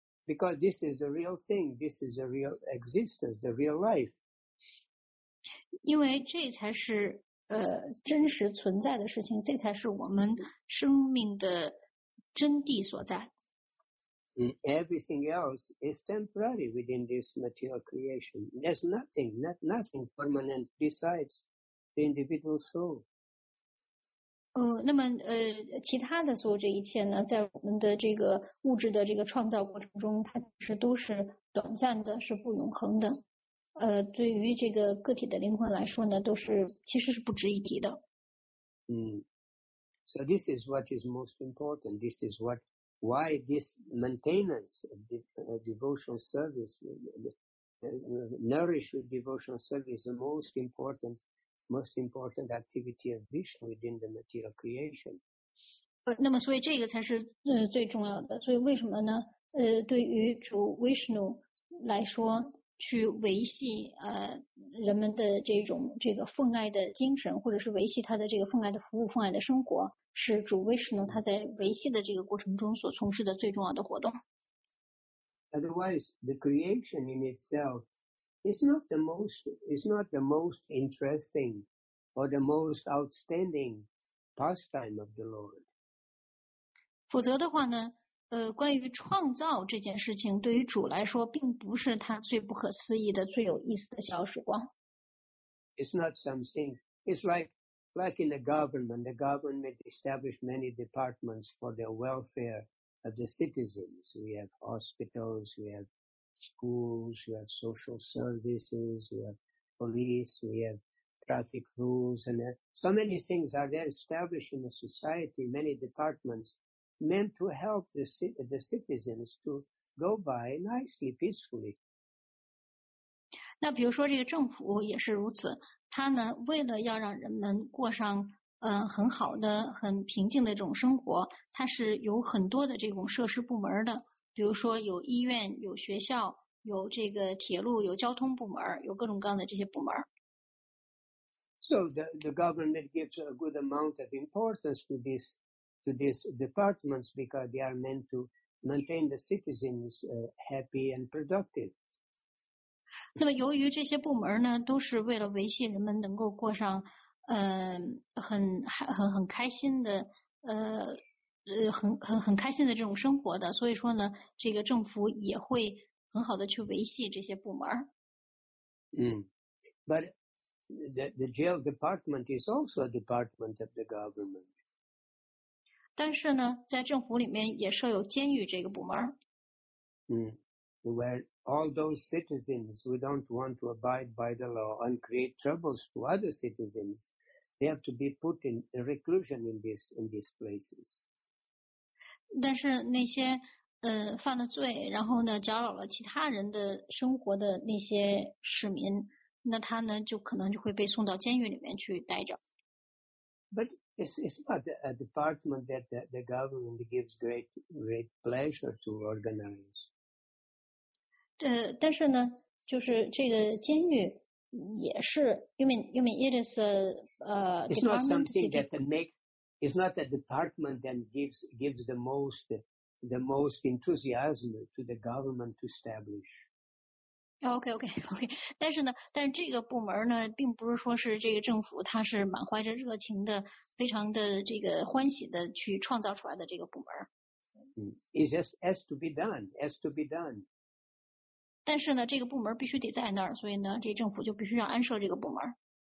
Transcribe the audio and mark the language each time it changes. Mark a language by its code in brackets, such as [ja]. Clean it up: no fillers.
[en] Because this is the real thing, this is the real existence, the real life. [zh] 因为这才是真实存在的事情，这才是我们生命的真谛所在。 [en] Everything else is temporary within this material creation. There's nothing, nothing permanent besides the individual soul. [zh] 那么其他的所有这一切呢，在我们的这个物质的这个创造过程中，它是都是短暂的，是不永恒的。对于这个个体的灵魂来说呢，都是其实是不值一提的。 [en] So this is what is most important. This is what. Why this maintenance of devotional service, nourish with devotional service, the most important activity of Vishnu within the material creation? [zh] 那么所以这个才是最重要的。所以为什么呢？对于主 Vishnu 来说，去维系人们的这个奉爱的精神，或者是维系他的这个奉爱的服务、奉爱的生活。是主威士呢，他在维系的这个过程中所从事的最重要的活动。 [en] Otherwise, the creation in itself is not the most interesting or the most outstanding pastime of the Lord. [zh] 否则的话呢，关于创造这件事情，对于主来说，并不是他最不可思议的、最有意思的小时光。 [en] It's not something. It's like in the government established many departments for the welfare of the citizens. We have hospitals, we have schools, we have social services, we have police, we have traffic rules, and so many things are there established in the society, many departments meant to help the citizens to go by nicely, peacefully. [zh] 那比如说这个政府也是如此。他呢，为了要让人们过上很好的、很平静的这种生活，他是有很多的这种设施部门的，比如说有医院、有学校、有这个铁路、有交通部门、有各种各样的这些部门。 [en] So the government gives a good amount of importance to these departments because they are meant to maintain the citizens happy and productive. [zh] 那么由于这些部门呢都是为了维系人们能够过上很开心的很开心的这种生活的，所以说呢这个政府也会很好的去维系这些部门。 [en] But the jail department is also a department of the government. [zh] 但是呢在政府里面也设有监狱这个部门。 [en] Where all those citizens who don't want to abide by the law and create troubles to other citizens, they have to be put in reclusion in these places. [zh] 但是那些犯了罪，然后呢搅扰了其他人的生活的那些市民，那他呢就可能就会被送到监狱里面去待着。 [en] But it's not a department that the government gives great pleasure to organize. [zh] 但是呢就是这个监狱也是因为 [en] it's not something that it's not a department that gives the most enthusiasm to the government to establish. Okay. [zh] 但是这个部门呢并不是说是这个政府它是满怀着热情的非常的这个欢喜的去创造出来的这个部门。 [en] It just has to be done. [zh] 但是呢这个部门必须得在那儿，所以呢这个政府就必须要安设这个部门。